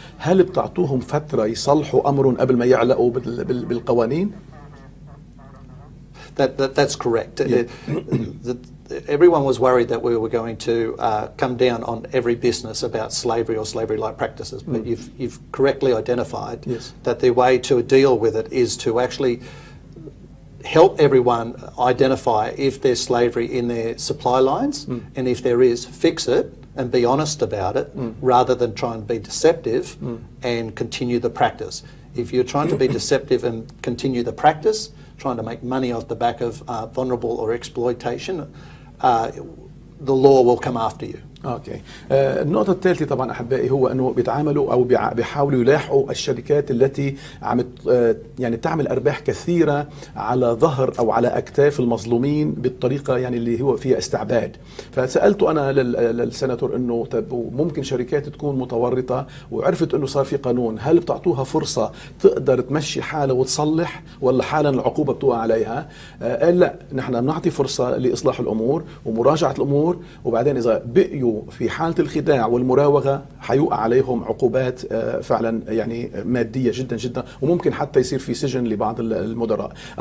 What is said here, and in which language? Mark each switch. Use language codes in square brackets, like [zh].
[ar] هل بتعطوهم فترة يصلحوا أمرهم قبل ما يعلقوا بالقوانين؟ [en] That's correct. Yeah. Everyone was worried that we were going to come down on every business about slavery or slavery-like practices, but you've correctly identified that the way to deal with it is to actually help everyone identify if there's slavery in their supply lines, and if there is, fix it and be honest about it, rather than try and be deceptive and continue the practice. If you're trying to be deceptive and continue the practice, trying to make money off the back of vulnerable or exploitation, the law will come after you. Okay. [ar] النقطة الثالثة طبعا أحبائي هو أنه بيتعاملوا أو بيحاولوا يلاحقوا الشركات التي عم يعني تعمل أرباح كثيرة على ظهر أو على أكتاف المظلومين بالطريقة يعني اللي هو فيها استعباد. فسألت أنا للسناتور أنه طب ممكن شركات تكون متورطة وعرفت أنه صار في قانون، هل بتعطوها فرصة تقدر تمشي حالة وتصلح ولا حالا العقوبة بتوقع عليها؟ قال لا، نحن بنعطي فرصة لإصلاح الأمور ومراجعة الأمور، وبعدين إذا بقي في حالة الخداع والمراوغة حيوقع عليهم عقوبات فعلا يعني مادية جدا جدا، وممكن حتى يصير في سجن لبعض المدراء.